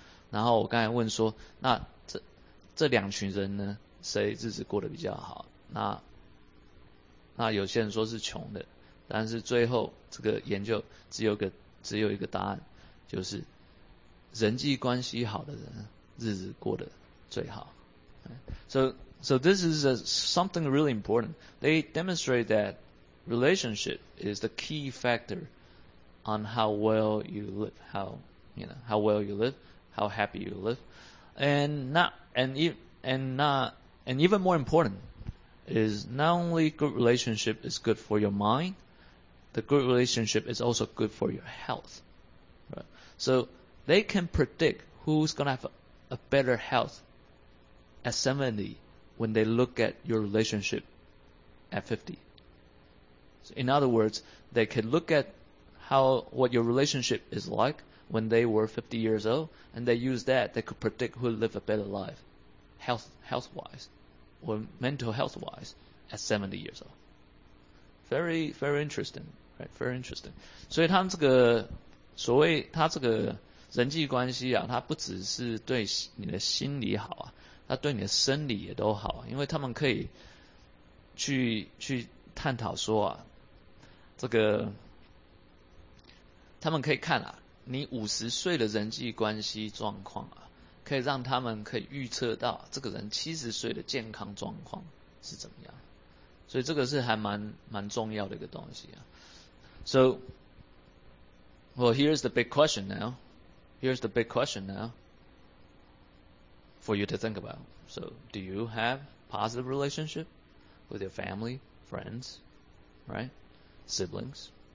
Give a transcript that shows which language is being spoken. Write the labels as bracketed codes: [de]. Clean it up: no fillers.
[zh] 然后我刚才问说，那这两群人呢，谁日子过得比较好？那有些人说是穷的，但是最后这个研究只有一个答案，就是人际关系好的人日子过得最好。 [en] So this is something really important. They demonstrate that relationship is the key factor on how well you live, how happy you live, and even more important is not only good relationship is good for your mind, the good relationship is also good for your health. Right? So they can predict who's gonna have a better health at 70 when they look at your relationship at 50. So in other words, they can look at what your relationship is like when they were 50 years old, and they use that, they could predict who live a better life health-wise or mental health-wise at 70 years old. Very, very interesting, right? Very interesting. [zh] 所以他这个人际关系啊，他不只是对你的心理好啊，他对你的生理也都好，因为他们可以去探讨说啊，这个他们可以看啊，你50岁的人际关系状况啊，可以让他们可以预测到这个人70岁的健康状况是怎么样，所以这个是还蛮重要的一个东西啊。 [en] So, well, here's the big question now. Here's the big question now for you to think about. So do you have positive relationship with your family, friends, right, siblings?